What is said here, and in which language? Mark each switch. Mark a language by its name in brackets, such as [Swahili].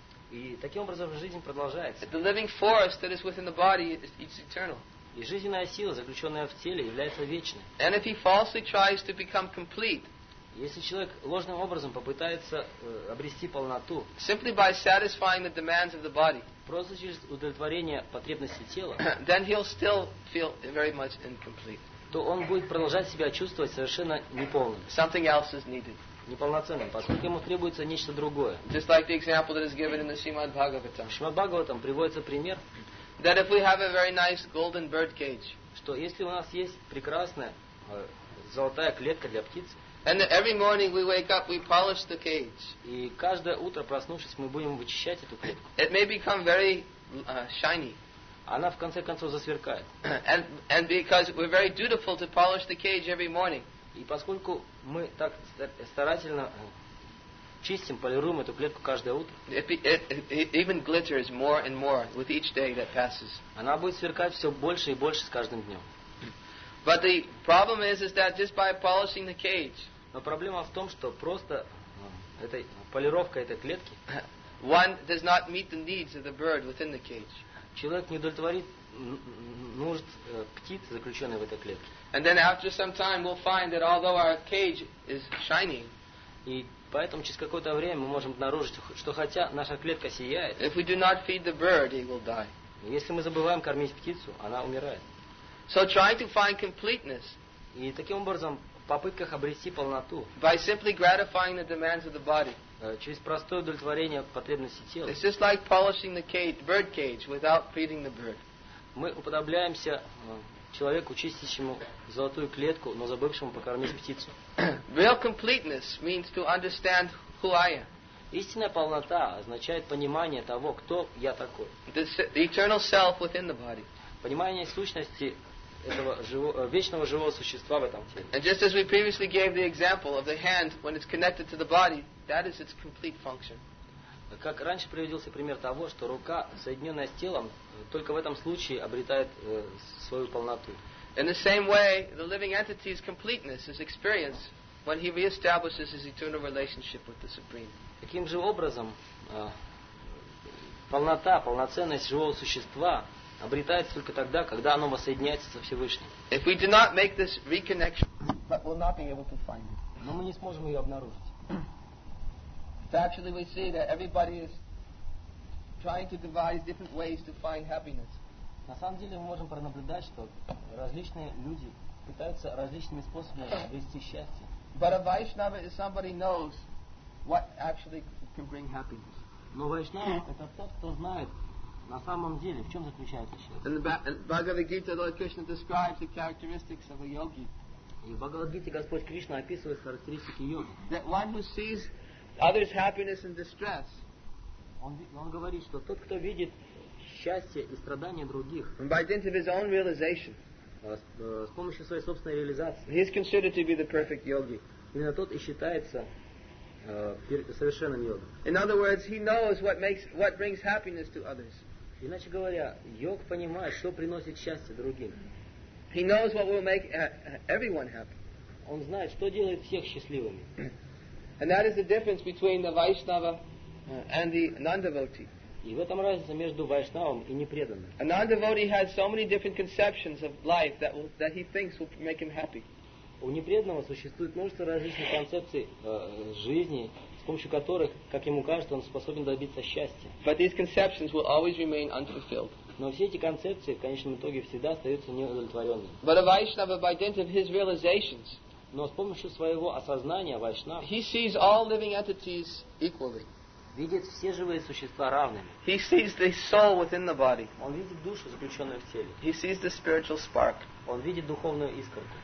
[Russian] И таким образом жизнь продолжается. [English] The living force that is within the body is eternal. [Russian] И жизненная сила, заключенная в теле, является вечной. [English] And if he falsely tries to become complete, [Russian] если человек ложным образом попытается обрести полноту, [English] simply by satisfying the demands of the body, [Russian] просто через удовлетворение потребностей тела, [English] then he'll still feel very much incomplete. [Russian] То он будет продолжать себя чувствовать совершенно неполным. [English] Something else is needed. [Russian] Неполноценным, поскольку ему требуется нечто другое. [English] Just like the example that is given in the Srimad Bhagavatam. [Russian] В Шримад Бхагаватам приводится пример, [English] that if we have a very nice golden bird cage, [Russian] что если у нас есть прекрасная золотая клетка для птиц, [English] And every morning we wake up, we polish the cage. [Russian] И каждое утро, проснувшись, мы будем вычищать эту клетку. [English] It may become very shiny. [Russian] Она в конце концов засверкает. [English] And because we're very dutiful to polish the cage every morning. [Russian] И поскольку мы так старательно чистим, полируем эту клетку каждое утро. [English] It even glitters more and more with each day that passes. [Russian] Она будет сверкать все больше и больше с каждым днем. [English] But the problem is that just by polishing the cage. [Russian] Но проблема в том, что просто этой полировкой этой клетки. [English] One does not meet the needs of the bird within the cage. [Russian] Человек не удовлетворит нужд птиц, заключенных в этой клетке. [English] And then after some time we'll find that although our cage is shiny. [Russian] И поэтому через какое-то время мы можем обнаружить, что хотя наша клетка сияет. [English] If we do not feed the bird, he will die. [Russian] Если мы забываем кормить птицу, она умирает. [English] So trying to find completeness. [Russian] И таким образом в попытках обрести полноту. [English] By simply gratifying the demands of the body. [Russian] Через простое удовлетворение потребностей тела. [English] It's just like polishing the cage, bird cage, without feeding the bird. [Russian] Мы уподобляемся человеку, чистящему золотую клетку, но забывшему покормить птицу. [English] Real completeness means to understand who I am. [Russian] Истинная полнота означает понимание того, кто я такой. [English] The eternal self within the body. [Russian] Понимание сущности этого вечного живого существа в этом теле. [English] And just as we previously gave the example of the hand when it's connected to the body, that is its complete function. [Russian] Как раньше приводился пример того, что рука, соединенная с телом, только в этом случае обретает свою полноту. [English] In the same way, the living entity's completeness is experienced when he reestablishes his eternal relationship with the Supreme. [Russian] Таким же образом, полнота, полноценность живого существа обретается только тогда, когда оно воссоединяется со Всевышним. [English] If we do not make this reconnection, but we'll not be able to find it. [Russian] Но мы не сможем ее обнаружить. [English] Actually, we see that everybody is trying to devise different ways to find happiness. [Russian] На самом деле мы можем пронаблюдать, что различные люди пытаются различными способами обрести счастье. [English] But a Vaishnava is somebody knows what actually can bring happiness. [Russian] Но Вайшнава это тот, кто знает. На самом деле, в чем заключается счастье? [English] In the Bhagavad Gita, Lord Krishna describes the characteristics of a yogi. [Russian] И в Бхагавад Гите Господь Кришна описывает характеристики йоги. [English] That one who sees others' happiness and distress. [Russian] Он говорит, что тот, кто видит счастье и страдания других. [English] By dint of his own realization. [Russian] С помощью своей собственной реализации. [English] He is considered to be the perfect yogi. [Russian] Именно тот и считается совершенным йогом. [English] In other words, he knows what brings happiness to others. [Russian] Иначе говоря, йог понимает, что приносит счастье другим. [English] He knows what will make everyone happy. [Russian] Он знает, что делает всех счастливыми. [English] And that is the difference between the Vaishnava and the non-devotee. [Russian] И в этом разница между Вайшнавом и непреданным. [English] A non-devotee has so many different conceptions of life that he thinks will make him happy. [Russian] У непреданного существует множество различных концепций жизни, с помощью которых, как ему кажется, он способен добиться счастья. [English] But these conceptions will always remain unfulfilled. [Russian] Но все эти концепции в конечном итоге всегда остаются неудовлетворенными. [English] But a Vaishnava, by dint of his realizations, [Russian] но с помощью своего осознания Вайшнава, [English] he sees all living entities equally. [Russian] Видит все живые существа равными. [English] He sees the soul within the body. [Russian] Он видит душу, заключенную в теле. [English] He sees the spiritual spark. [Russian] Он видит духовную искорку.